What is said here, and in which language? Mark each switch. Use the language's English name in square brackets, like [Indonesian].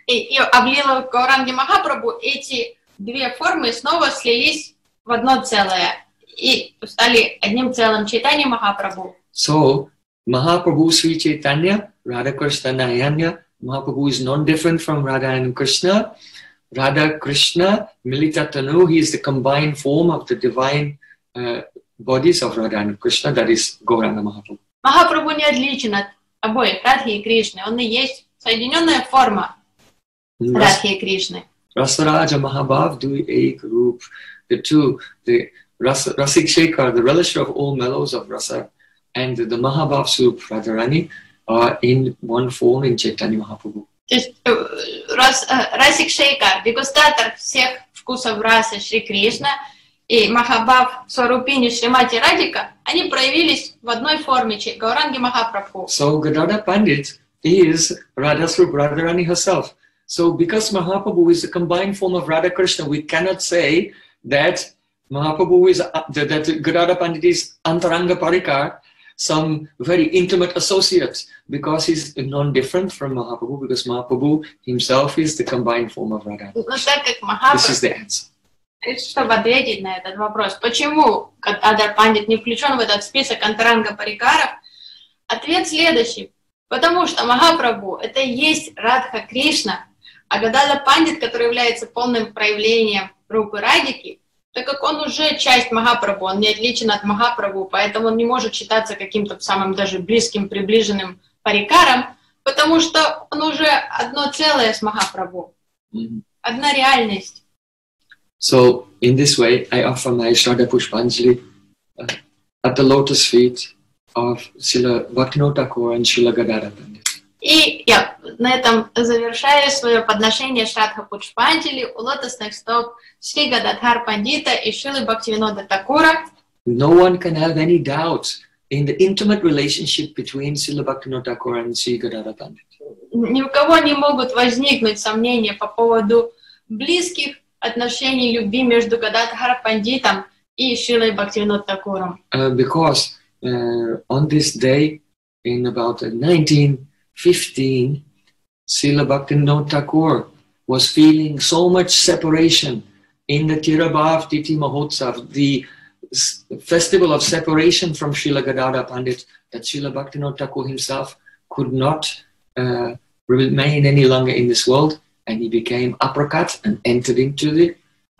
[Russian] И облила Гауранги Махапрабху, эти две формы снова слились в одно целое и стали одним целым Чайтанья Махапрабху. [English] So, Махапрабху Сри Чайтанья, Радха Кришна Найанья, Махапрабху is non-different from Radha and Krishna. Radha Krishna Milita Tanu, he is the combined form of the divine bodies of Radha and Krishna, that is Gauranga Махапрабху. [Russian] Махапрабху не отличен от обоих, Радхи и Кришны. Он и есть соединенная форма Радхи и Кришны. [Bangla] Расараджа Махабхав Дуи Эйк Руп. [English] The two, the Расик Шекар, the relisher of all mellows of Rasa, and the Mahabhav Sup Radharani are in one form in Chaitanya Махапрабху. [Russian] Расик Шекар, дегустатор всех вкусов Расы Шри Кришна, и Махабхав Сварупини Шримати Радика, они проявились в одной форме Гауранги Махапрабху. [English] So Gadadhara Pandit is Radha Swarup Radharani herself. So because Mahaprabhu is a combined form of Radha Krishna, we cannot say that Mahaprabhu is that Gadadhara Pandit is Antaranga Parikar, some very intimate associate, because he's non-different from Mahaprabhu, because Mahaprabhu himself is the combined form of Radha. This is the answer. [Russian] Чтобы ответить на этот вопрос, почему Гададхара Пандит не включен в этот список антаранга парикаров, ответ следующий. Потому что Махапрабху — это и есть Радха Кришна, а Гададхара Пандит, который является полным проявлением рупы Радхики, так как он уже часть Махапрабху, он не отличен от Махапрабху, поэтому он не может считаться каким-то самым даже близким, приближенным парикаром, потому что он уже одно целое с Махапрабху, одна реальность. [English] So, in this way, I offer my Shraddha Pushpanjali at the lotus feet of Srila Bhaktivinoda Thakur and Srila Gadadhara Pandit. [Russian] И я на этом завершаю свое подношение Шраддха Пушпанджали у лотосных стоп Шри Гададхар Пандита и Шрилы Бхактивинода Такура. [English] No one can have any doubts in the intimate relationship between Srila Bhaktivinoda Thakur and Shri Gadadhara Pandit. [Russian] Ни у кого не могут возникнуть сомнения по поводу близких отношений любви между Гададхара Пандитом и Шрилой Бхактивинода Такуром. [English] Because on this day, in about 1915, Srila Bhaktivinoda Thakur was feeling so much separation in the Tirubhav Tithi Mahotsav, the festival of separation from Srila Gadadhara Pandit, that Srila Bhaktivinoda Thakur himself could not remain any longer in this world. And he became aprakat and entered into the